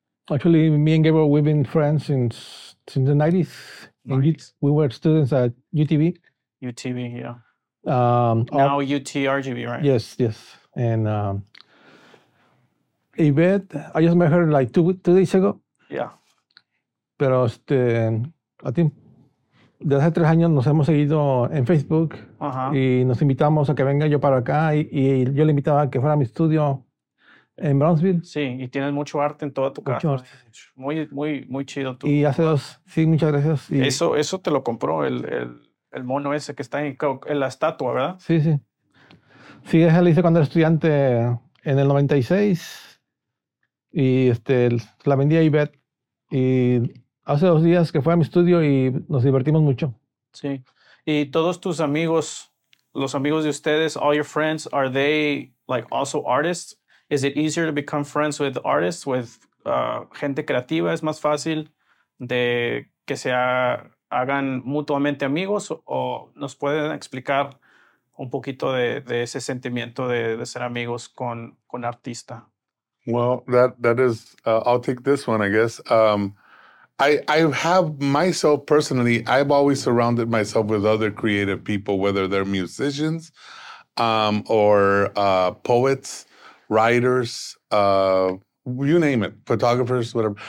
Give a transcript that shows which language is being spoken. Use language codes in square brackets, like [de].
[en] Actually, me and Gabriel, we've been friends since the 90s. Nice. We were students at UTV. UTV, yeah. Now UTRGV, right? Yes. And Yvette, I just met her like two days ago. Yeah. [es] Pero a ti, desde hace 3 años nos hemos seguido en Facebook y nos invitamos a que venga yo para acá y yo le invitaba a que fuera a mi estudio en Brownsville. Sí, y tienes mucho arte en toda tu casa. Mucho arte. Muy, muy, muy chido tú. Y hace dos, sí, muchas gracias. Y eso te lo compró el mono ese que está en la estatua, ¿verdad? Sí, sí. Sí, ese lo hice cuando era estudiante en el 96 y la vendí a Yvette. Y hace 2 días que fue a mi estudio y nos divertimos mucho. Sí. Y todos tus amigos, los amigos de ustedes, [en] all your friends, are they like also artists? Is it easier to become friends with artists, with [es] gente creativa? ¿Es más fácil de que se hagan mutuamente amigos? ¿O nos pueden explicar un poquito de ese sentimiento de ser amigos con artista? [en] Well, that is, I'll take this one, I guess. I have myself personally, I've always surrounded myself with other creative people, whether they're musicians or poets, writers, you name it, photographers, whatever.